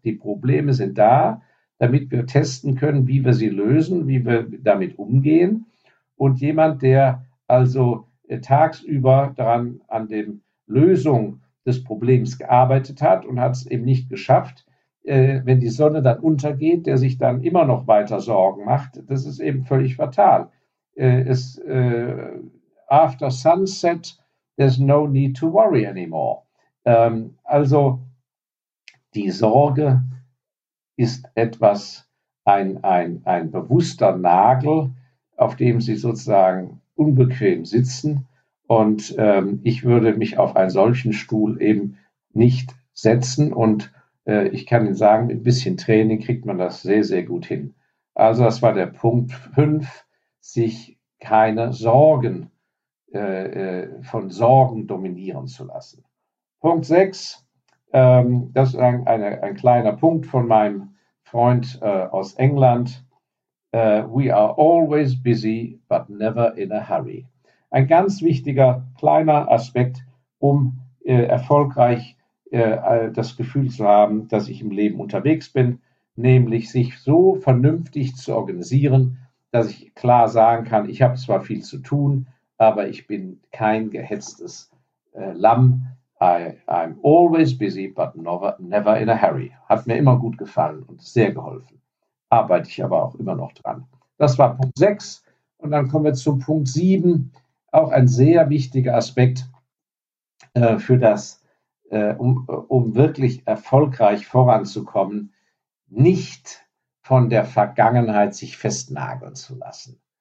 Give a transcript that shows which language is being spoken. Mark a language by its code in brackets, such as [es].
[de] Die Probleme sind da, damit wir testen können, wie wir sie lösen, wie wir damit umgehen. Und jemand, der also tagsüber daran an dem Lösung des Problems gearbeitet hat und hat es eben nicht geschafft, wenn die Sonne dann untergeht, der sich dann immer noch weiter Sorgen macht, das ist eben völlig fatal. [en] After sunset, there's no need to worry anymore. [de] Also die Sorge ist etwas, ein bewusster Nagel, auf dem Sie sozusagen unbequem sitzen. Und ich würde mich auf einen solchen Stuhl eben nicht setzen. Und ich kann Ihnen sagen, mit ein bisschen Training kriegt man das sehr, sehr gut hin. Also das war der Punkt 5, sich keine Sorgen von Sorgen dominieren zu lassen. Punkt 6, das ist ein kleiner Punkt von meinem Freund aus England. [en] We are always busy, but never in a hurry. [de] Ein ganz wichtiger kleiner Aspekt, um erfolgreich das Gefühl zu haben, dass ich im Leben unterwegs bin, nämlich sich so vernünftig zu organisieren, dass ich klar sagen kann, ich habe zwar viel zu tun, aber ich bin kein gehetztes Lamm. [en] I'm always busy, but never in a hurry. [de] Hat mir immer gut gefallen und sehr geholfen. Arbeite ich aber auch immer noch dran. Das war Punkt 6. Und dann kommen wir zu Punkt 7. Auch ein sehr wichtiger Aspekt, um wirklich erfolgreich voranzukommen, nicht von der Vergangenheit sich festnageln zu lassen.